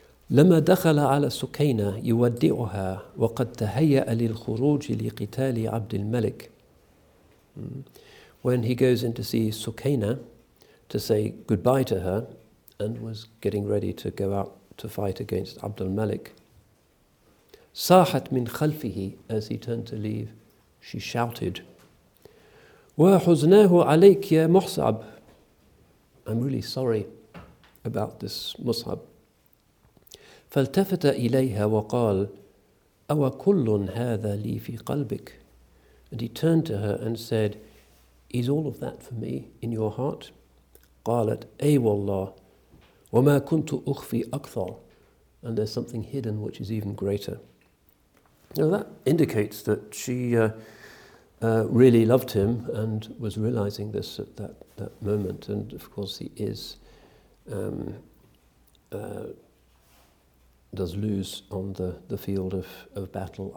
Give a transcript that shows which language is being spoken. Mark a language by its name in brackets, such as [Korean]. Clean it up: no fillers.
[Arabic] لما دخل على سكينة يودعها وقد تهيأ للخروج لقتال عبد الملك. [English] When he goes in to see Sukayna to say goodbye to her and was getting ready to go out to fight against Abd al-Malik, [Arabic] صاحت من خلفه, [English] as he turned to leave, she shouted, [Arabic] وحزناه عليك يا مصعب. [English] I'm really sorry about this Mus'ab. [Arabic] فالتفت إليها وقال, أو كل هذا لي في قلبك. [English] And he turned to her and said, is all of that for me in your heart? [Arabic] قالت, أي والله, وما كنت أخفي أكثر. [English] And there's something hidden which is even greater. Now that indicates that she really loved him and was realizing this at that moment. And of course he is, does lose on the field of battle.